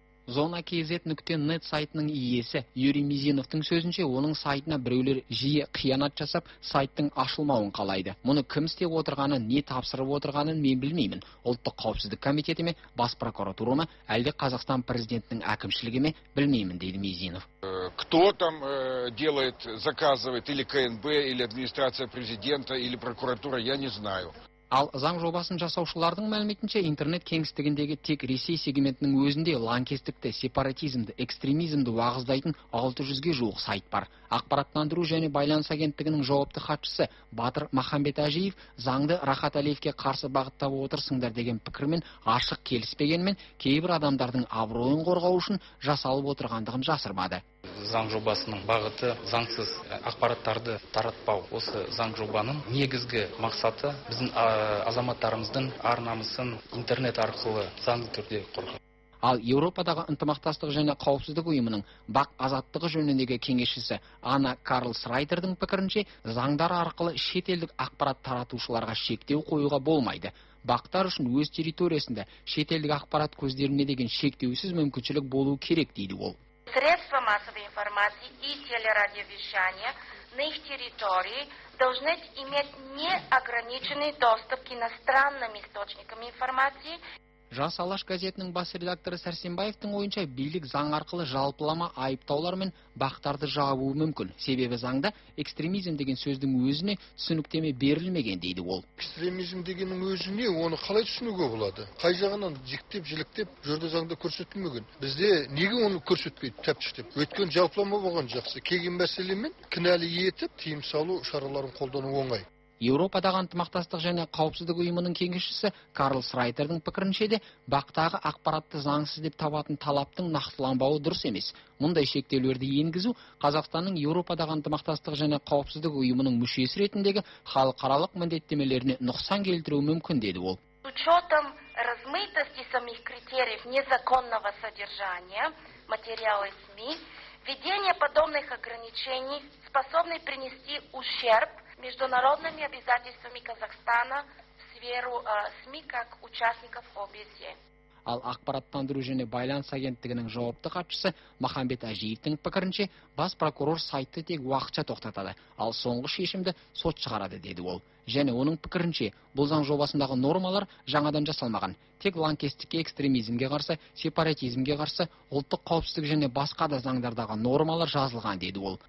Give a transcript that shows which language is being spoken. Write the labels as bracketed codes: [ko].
[kk] zona.kz.net сайтының иесі Юрий Мизиновтың сөзінше, оның сайтына біреулер жиі қиянат жасап, сайттың ашылмауын қалайды. Мұны кім істеп отырғаны, не тапсырып отырғанын мен білмеймін. Ұлттық қауіпсіздік комитеті ме, бас прокуратура ма, әлде Қазақстан президентінің әкімшілігі ме, білмеймін, дейді Мизинов. [ru] Кто там делает, заказывает или КНБ, или администрация президента, или прокуратура, я не знаю. [kk] Ал заң жобасын жасаушылардың мәліметінше, интернет кеңістігіндегі тек Ресей сегментінің өзінде лаңкестікті, сепаратизмді, экстремизмді уағыздайтын 600-ге жуық сайт бар. Ақпараттандыру және байланыс агенттігінің жауапты хатшысы Батыр Махамбет Әжиев заңды Рахат Әлиевке қарсы бағыттап отырсыңдар деген пікірмен ашық келіспегенмен, кейбір адамдардың абыройын қорғау үшін жасалып отырғандығын жасырмады. Заң жобасының бағыты заңсыз ақпараттарды таратпау. Осы заң жобаның негізгі мақсаты біздің азаматтарымыздың ар-намысын интернет арқылы заңды түрде қорғау. Ал Еуропадағы ынтымақтастық және қауіпсіздік ұйымының бақ азаттығы жөніндегі кеңесшісі Анна Карл Срайдердің пікірінше, заңдар арқылы шетелдік ақпарат таратушыларға шектеу қоюға болмайды. Бақтар үшін өз территориясында шетелдік ақпарат көздеріне деген шектеусіз мүмкіншілік болу керек, дейді ол. [ru] Средства массовой информации и телерадиовещания на их территории должны иметь неограниченный доступ к иностранным источникам информации. [kk] Жас Алаш газетінің бас редакторы Сәрсенбаевтың ойынша, билік заң арқылы жалпылама айыптаулар мен бақтарды жабуы мүмкін. Себебі заңда экстремизм деген сөздің өзіне түсініктеме берілмеген, дейді ол. Экстремизм дегеннің өзіне оны қалай түсінуге болады? Қай жағынан жіктеп, жіліктеп жүрді заңда көрсетілмеген? Бізде неге оны көрсетпейді тәптіштеп? Өткен жалпылама болған жақсы. Келген мәселемен кінәлі етіп, тыйым салу шараларын қолдану оңай. Еуропадағы ынтымақтастық және қауіпсіздік ұйымының кеңесшісі Карл Срайтердің пікірінше де, бақтағы ақпаратты заңсыз деп табатын талаптың нақтыланбауы дұрыс емес. Мұндай шектеулерді енгізу Қазақстанның Еуропадағы ынтымақтастық және қауіпсіздік ұйымының мүшесі ретіндегі халықаралық міндеттемелеріне нұқсан келтіруі мүмкін, деді ол. [ru] С учетом размытости самих критериев незаконного содержания материалов СМИ, введение подобных ограничений способны принести ущерб международными обязательствами Казахстана в сферу СМИ как участников обеси. [kk] Ал ақпараттандыру және байланыс агенттігінің жауапты хатшысы Махамбет Ажиевтің пікірінше, бас прокурор сайты тек уақытша тоқтатады, ал соңғы шешімді сот шығарады деді ол. Және оның пікірінше, бұл заң жобасындағы нормалар жаңадан жасалмаған. Тек лаңкестікке, экстремизмге қарсы, сепаратизмге қарсы, ұлттық қауіпсіздік және басқа да заңдардағы нормалар жазылған деді ол.